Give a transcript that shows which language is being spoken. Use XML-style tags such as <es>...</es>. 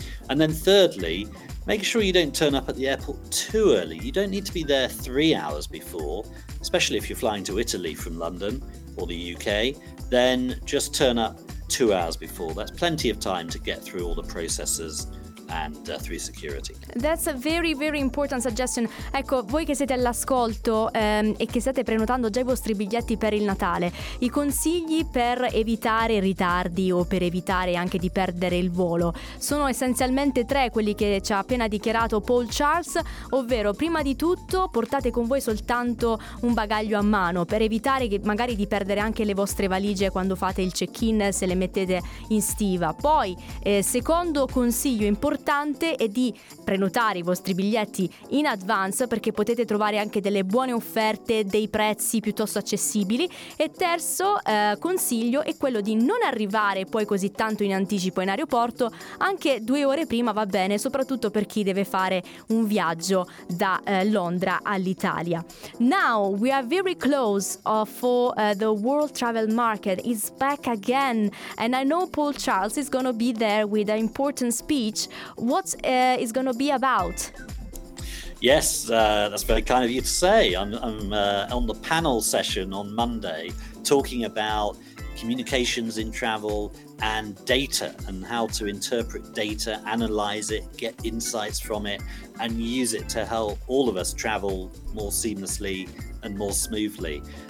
<en>And then thirdly, make sure you don't turn up at the airport too early. You don't need to be there 3 hours before, especially if you're flying to Italy from London or the UK. Then just turn up 2 hours before. That's plenty of time to get through all the processes and through security. That's a very, very important suggestion.</en> <it>Ecco, voi che siete all'ascolto e che state prenotando già i vostri biglietti per il Natale, i consigli per evitare ritardi o per evitare anche di perdere il volo sono essenzialmente tre, quelli che ci ha appena dichiarato Paul Charles, ovvero: prima di tutto portate con voi soltanto un bagaglio a mano per evitare che magari di perdere anche le vostre valigie quando fate il check-in, se le mettete in stiva. Poi, secondo consiglio importante, importante è di prenotare i vostri biglietti</it> <en>in advance,</en> <it>perché potete trovare anche delle buone offerte, dei prezzi piuttosto accessibili. E terzo consiglio è quello di non arrivare poi così tanto in anticipo in aeroporto, anche 2 ore prima va bene, soprattutto per chi deve fare un viaggio da Londra all'Italia.</it> <en>Now we are very close for the world travel market is back again, and I know Paul Charles is going to be there with an important speech. What is going to be about? Yes, that's very kind of you to say. I'm on the panel session on Monday talking about communications in travel and data, and how to interpret data, analyze it, get insights from it, and use it to help all of us travel more seamlessly and more smoothly.</en>